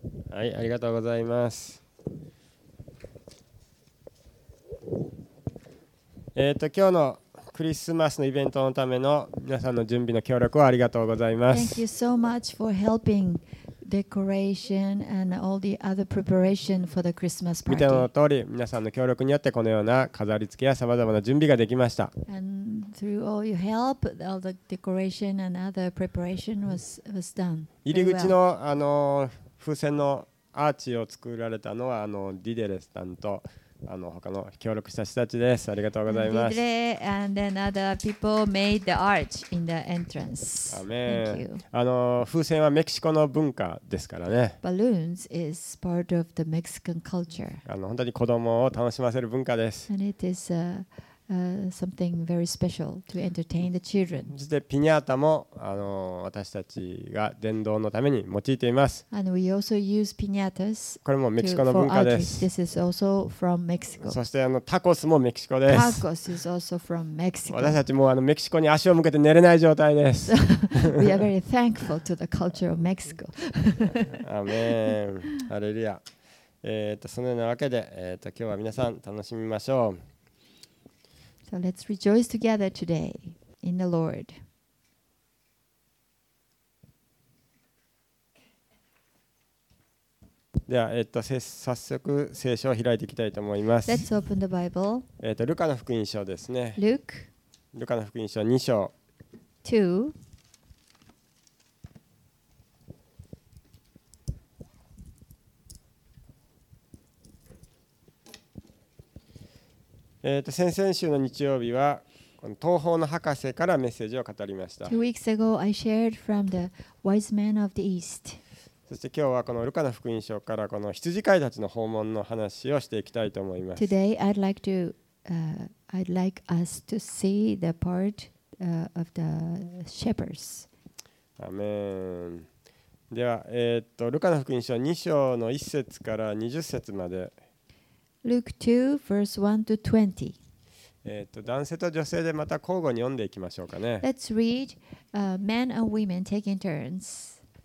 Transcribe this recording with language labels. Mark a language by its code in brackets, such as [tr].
[ja] はい、ありがとうございます。今日のクリスマスのイベントのための皆さんの準備の協力をありがとうございます。 [en] Thank you so much for helping decoration and all the other preparation for the Christmas party. [ja] 見ての通り皆さんの協力によってこのような飾り付けやさまざまな準備ができました。 [en] And through all your help, all the decoration and other preparation was done. [ja] 入り口の、風船のアーチを作られたのはディデレスさんと他の協力した人たちです。ありがとうございます。 [en] ディデレ and then other people made the arch in the entrance. [ja] アメン。風船はメキシコの文化ですからね。 [en] Balloons is part of the Mexican culture. [ja] 本当に子供を楽しませる文化です。 [en] And it is something very special to entertain the children. [ja] そしてピニャータも私たちが伝道のために用いています。 [en] And we also use piñatas. [ja] これもメキシコの文化です。 [en] This is also from Mexico. [ja] そしてタコスもメキシコです。 [en] Tacos is also from Mexico. [ja] 私たちもメキシコに足を向けて寝れない状態です。 [en] We are very thankful to the culture of Mexico. [ja] アメン。ハレルヤ。そのようなわけで今日は皆さん楽しみましょう。 [en] So let's rejoice together today in the Lord. [ja] では、早速聖書を開いていきたいと思います。 [en] Let's open the Bible. [ja] ルカの福音書ですね。 [en] Luke. [ja] ルカの福音書2章。 2. 先々週の日曜日はこの東方の博士からメッセージを語りました。 [en] Two weeks ago, I shared from the wise men of the East. [ja] そして今日はこのルカの福音書からこの羊飼いたちの訪問の話をしていきたいと思います。 [en] Today, I'd like us to see the part of the shepherds. [ja] アメン。では、ルカの福音書2章の1節から20節まで、 [en] Luke 2, verse 1 to 20. [ja] 男性と女性でまた交互に読んでいきましょうかね。 [en] Let's read men and women taking turns.